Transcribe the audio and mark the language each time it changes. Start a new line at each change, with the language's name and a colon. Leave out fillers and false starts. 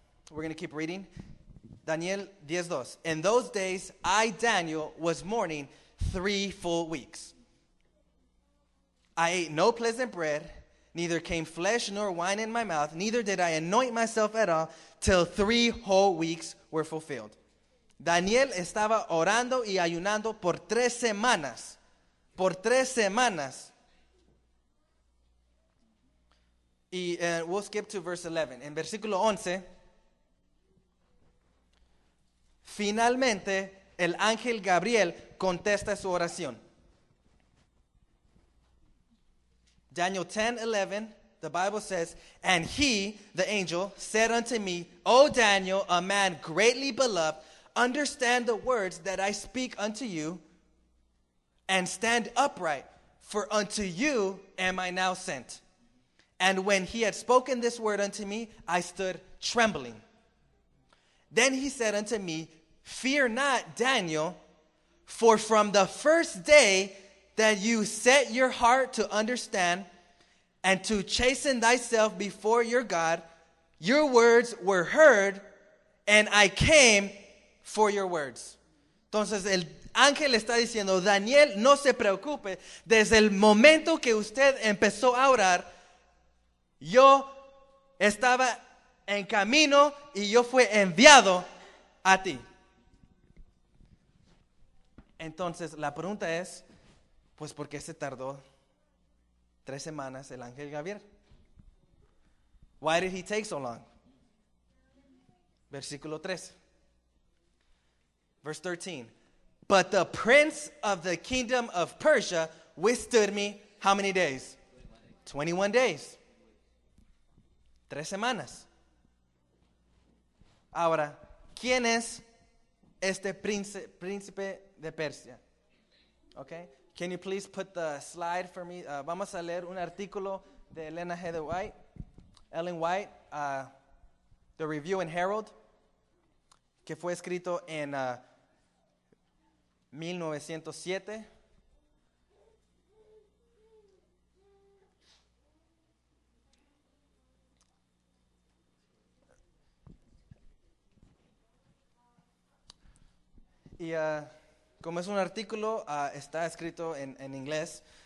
English: We're going to keep reading. Daniel 10, 2. In those days, I, Daniel, was mourning 3 full weeks. I ate no pleasant bread, neither came flesh nor wine in my mouth, neither did I anoint myself at all, till 3 whole weeks were fulfilled.
Spanish: Daniel estaba orando y ayunando por 3 semanas. Por 3 semanas. Y
English: we'll skip to verse 11.
Spanish: En versículo 11, finalmente el ángel Gabriel contesta su oración.
English: Daniel 10, 11, the Bible says, and he, the angel, said unto me, O Daniel, a man greatly beloved, understand the words that I speak unto you, and stand upright, for unto you am I now sent. And when he had spoken this word unto me, I stood trembling. Then he said unto me, fear not, Daniel, for from the first day that you set your heart to understand and to chasten thyself before your God, your words were heard, and I came for your words.
Spanish: Entonces, el ángel está diciendo, Daniel, no se preocupe. Desde el momento que usted empezó a orar, yo estaba en camino y yo fui enviado a ti. Entonces, la pregunta es, pues, ¿por qué se tardó 3 semanas el ángel Gabriel?
English: Why did he take so long?
Spanish: Versículo 13.
English: Verse 13. But the prince of the kingdom of Persia withstood me how many days? 21 days.
Spanish: 3 semanas. Ahora, ¿quién es este príncipe de Persia?
English: Okay. Can you please put the slide for me?
Spanish: Vamos a leer un artículo de Elena G. White, Ellen White, The Review and Herald, que fue escrito en 1907. Y como es un artículo, está escrito en inglés.